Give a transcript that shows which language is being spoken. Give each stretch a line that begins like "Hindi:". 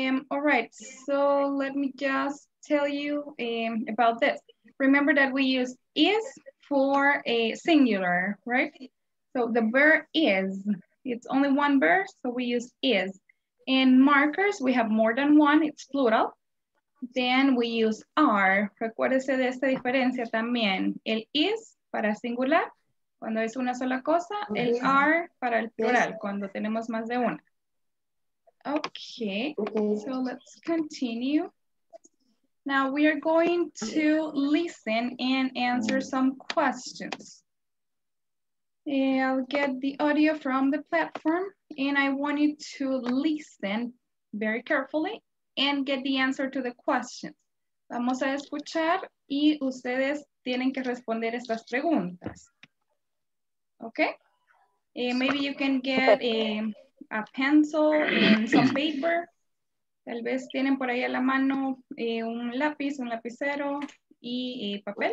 English: All right, so let me just tell you about this. Remember that we use is for a singular, right? So the verb is, it's only one verb, so we use is. In markers, we have more than one, it's plural. Then we use are.
Spanish: Recuérdese de esta diferencia también. El is para singular, cuando es una sola cosa. El are para el plural, cuando tenemos más de una.
English: Okay, so let's continue. Now we are going to listen and answer some questions. I'll get the audio from the platform and I want you to listen very carefully and get the answer to the questions.
Spanish: Vamos a escuchar y ustedes tienen que responder estas preguntas.
English: Okay? Maybe you can get a pencil and some paper.
Spanish: Tal vez tienen por ahí a la mano un lápiz, un lapicero y papel.